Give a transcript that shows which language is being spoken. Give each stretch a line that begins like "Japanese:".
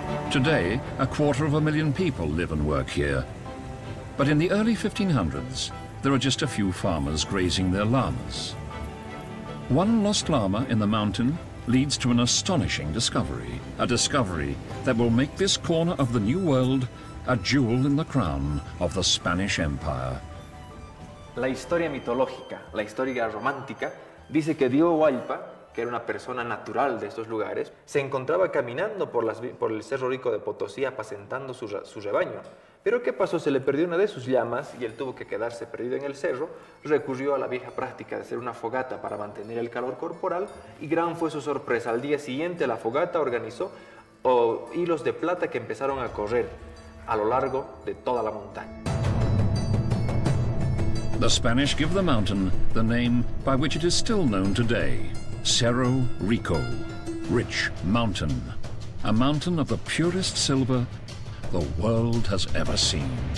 English: Today, 250,000 people live and work here. But in the early 1500s, there are just a few farmers grazing their llamas. One lost llama in the mountain leads to an astonishing discovery, a discovery that will make this corner of the New World a jewel in the crown of the Spanish Empire.
Spanish: La historia mitológica, la historia romántica, dice que Diego Hualpa, que era una persona natural de estos lugares, se encontraba caminando por el Cerro Rico de Potosí apacentando su rebaño. Pero ¿qué pasó? Se le perdió una de sus llamas y él tuvo que quedarse perdido en el cerro. Recurrió a la vieja práctica de hacer una fogata para mantener el calor corporal y gran fue su sorpresa. Al día siguiente la fogata organizó hilos de plata que empezaron a correr a lo largo de toda la montaña.
English: The Spanish give the mountain the name by which it is still known today, Cerro Rico, rich mountain, a mountain of the purest silver the world has ever seen.